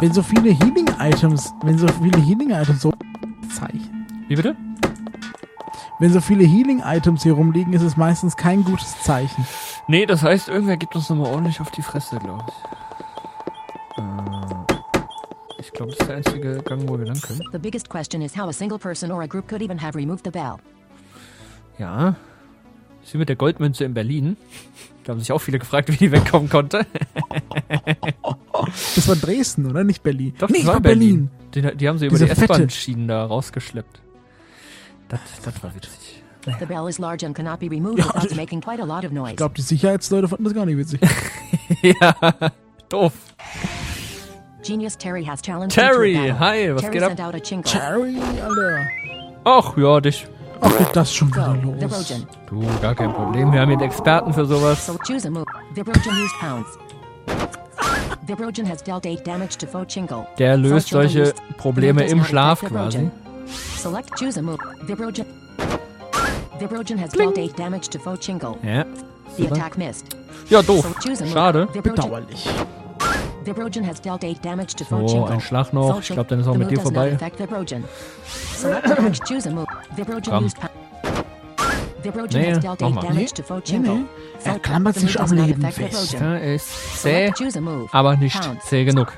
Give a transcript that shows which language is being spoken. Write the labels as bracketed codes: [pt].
[de] Wenn so viele Healing-Items... Wenn so viele Healing-Items so... Zeichen. Wie bitte? Wenn so viele Healing-Items hier rumliegen, ist es meistens kein gutes Zeichen. Nee, das heißt, irgendwer gibt uns nochmal ordentlich auf die Fresse, glaube ich. Ich glaube, das ist der einzige Gang, wo wir lang können. [en] The biggest question is how a single person or a group could even have removed the bell. [de] Ja. Ich bin mit der Goldmünze in Berlin. Da haben sich auch viele gefragt, wie die wegkommen konnte. Das war Dresden, oder? Nicht Berlin. Doch, nee, das war Berlin. Die haben sie über die S-Bahn-Schienen da rausgeschleppt. Das war witzig. [en] The bell is large and cannot be removed without making quite a lot of noise. [de] Ich glaube, die Sicherheitsleute fanden das gar nicht witzig. Ja, doof. [en] Genius Terry has challenged [de] Terry, hi, was Terry geht ab? Terry, Alter. Ach, ja, dich. Ach, geht das schon wieder los? Vibrogen. Du, gar kein Problem, wir haben hier einen Experten für sowas. [en] So choose a move. Vibrogen used pounds. Vibrogen has dealt 8 damage to Foe Chingle. [de] Der löst solche Probleme im Schlaf quasi. [en] Select choose a move. Vibrogen. Vibrogen has dealt 8 damage to Foe Chingle. [de] Ja. [en] The attack missed. [de] Ja, doof. Schade. Bedauerlich. [en] Vibrogen has dealt 8 damage to Foe Chingle. [de] Oh, ein Schlag noch. Ich glaube, dann ist auch mit dir vorbei. [en] Select choose a move. Vibrogen used power. Vibrogen nee, has dealt 8 damage to Foe Chingle. [de] Er klammert sich am Leben fest. Er ist zäh, aber nicht zäh genug.